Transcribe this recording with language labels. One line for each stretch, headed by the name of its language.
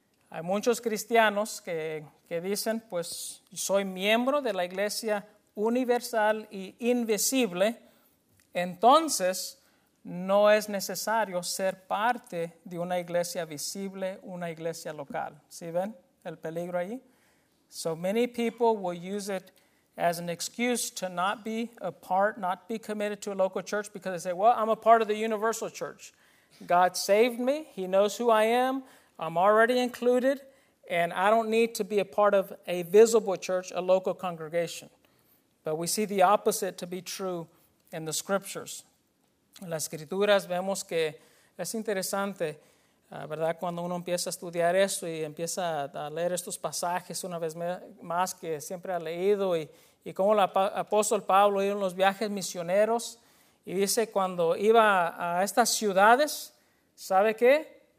Spanish: Hay muchos cristianos que dicen, pues, soy miembro de la iglesia universal e invisible, entonces no es necesario ser parte de una iglesia visible, una iglesia local. ¿Sí ven el peligro ahí?
English: So many people will use it as an excuse to not be a part, not be committed to a local church because they say, well, I'm a part of the universal church. God saved me. He knows who I am. I'm already included, and I don't need to be a part of a visible church, a local congregation. But we see the opposite to be true in the scriptures.
Spanish: En las escrituras vemos que es interesante, ¿verdad? Cuando uno empieza a estudiar esto y empieza a leer estos pasajes una vez más que siempre ha leído, y como el apóstol Pablo iba en los viajes misioneros, y dice cuando iba a estas ciudades, ¿sabe qué?